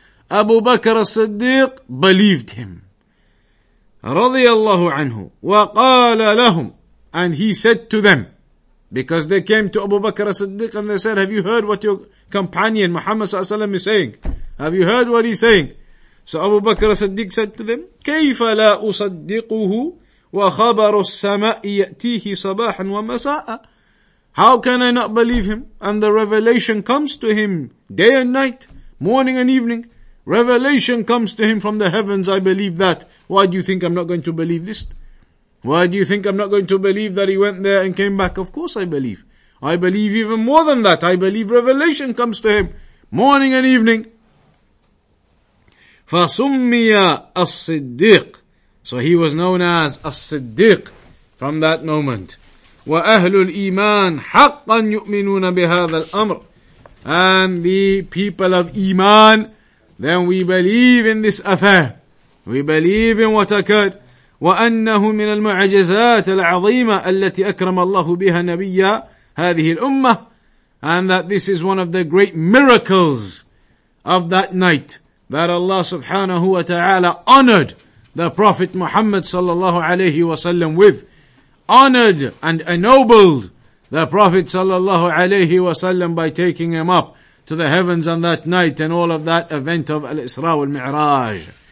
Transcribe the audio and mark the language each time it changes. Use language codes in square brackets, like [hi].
[en] Abu Bakr al-Siddiq believed him [ar] رَضِيَ اللَّهُ عَنْهُ وَقَالَ لَهُمْ. [en] And he said to them, because they came to Abu Bakr as-Siddiq and they said, have you heard what your companion Muhammad sallallahu alayhi wa sallam is saying? Have you heard what he's saying? So Abu Bakr as-Siddiq said to them, [ar] كيف لا أصدقه وخبر السماء يأتيه صباحا ومساء. [en] How can I not believe him? And the revelation comes to him day and night, morning and evening. Revelation comes to him from the heavens, I believe that. Why do you think I'm not going to believe this? Why do you think I'm not going to believe that he went there and came back? Of course I believe. I believe even more than that. I believe revelation comes to him morning and evening. [ar] فَسُمِّيَ الصِّدِّيقِ. [en] So he was known as الصِّدِّيقِ from that moment. [ar] وَأَهْلُ الْإِيمَانِ حَقًّا يُؤْمِنُونَ بِهَذَا الْأَمْرِ. [en] And the people of Iman, then we believe in this affair. We believe in what occurred. [ar] وأنه من المعجزات العظيمة التي أكرم الله بها نبيا هذه الأمة. [en] And that this is one of the great miracles of that night, that Allah subhanahu wa ta'ala honored the Prophet Muhammad sallallahu alayhi wa sallam with, honored and ennobled the Prophet sallallahu alayhi wa sallam by taking him up to the heavens on that night and all of that event of Al-Isra wa Al-Mi'raj.